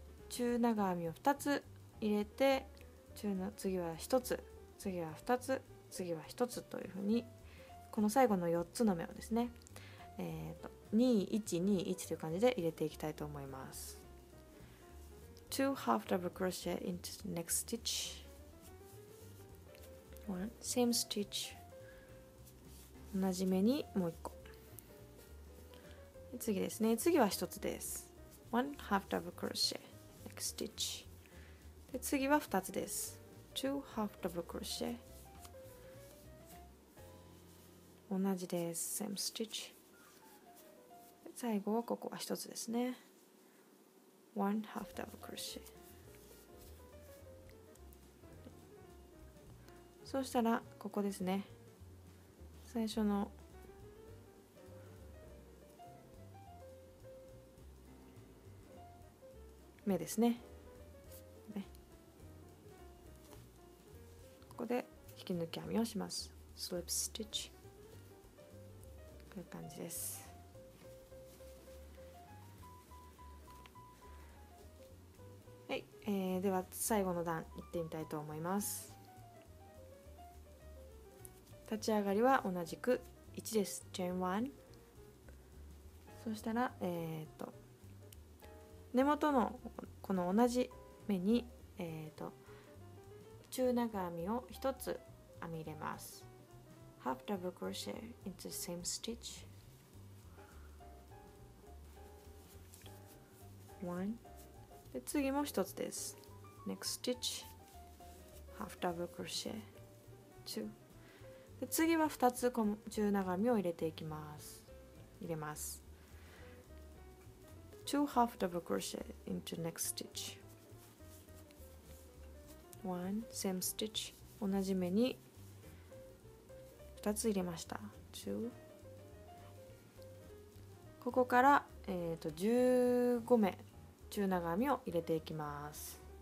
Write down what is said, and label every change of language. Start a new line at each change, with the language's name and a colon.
Japanese: 中長編みを2つ入れて、中の次は1つ、次は2つ、次は1つというふうに、この最後の4つの目をですね、 2、1、2、1という感じで入れていきたいと思います。
English: 2 half double crochet into the next stitch 1 same stitch
Japanese: 同じ目にもう1個、次ですね、次は1つです。
English: 1 half double crochet next stitch
Japanese: で次は2つです。
English: 2 half double crochet
Japanese: 同じです、
English: same stitch。
Japanese: 最後はここは一つですね、
English: one half double crochet。
Japanese: そうしたらここですね、最初の目ですね、ここで引き抜き編みをします、
English: slip stitch、
Japanese: という感じです。はい、では最後の段行ってみたいと思います。立ち上がりは同じく1です、
English: chain 1。
Japanese: そしたら根元のこの同じ目に中長編みを1つ編み入れます。
English: Half double crochet into the same stitch. One.
Japanese: で次も一つです。
English: Next stitch. Half double crochet. Two.
Japanese: で次は二つ中長編みを入れていきます。入れます。
English: Two half double crochet into next stitch. One. Same stitch.
Japanese: 同じ目に2つ入れました。ここから、15目中長編みを入れていきます。